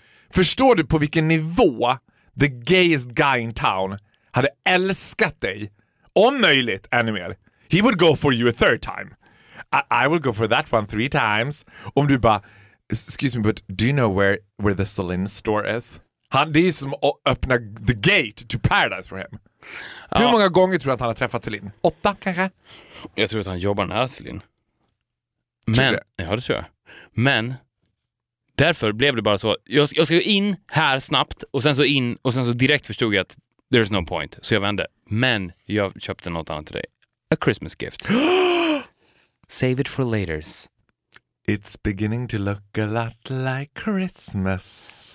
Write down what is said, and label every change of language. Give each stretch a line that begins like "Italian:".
Swedish: Förstår du på vilken nivå
English: the gayest guy in town
Swedish: hade älskat dig? Om möjligt, ännu mer.
English: He would go for you a third time. I will go for that one 3 times.
Swedish: Om du bara,
English: excuse me, but do you know where the Celine store is?
Swedish: Han, det är ju som att öppna
English: the gate to paradise for him.
Swedish: Ja. Hur många gånger tror du att han har träffat Celine? 8 kanske? Jag tror att han jobbar nära Celine. Men, ja det tror jag. Men, därför blev det bara så. Jag ska gå in här snabbt och sen så in och sen så direkt förstod jag att
English: there's no point.
Swedish: Så jag vände. Men jag köpte något annat till dig.
English: A Christmas gift. Save it for laters. It's beginning to look a lot like Christmas.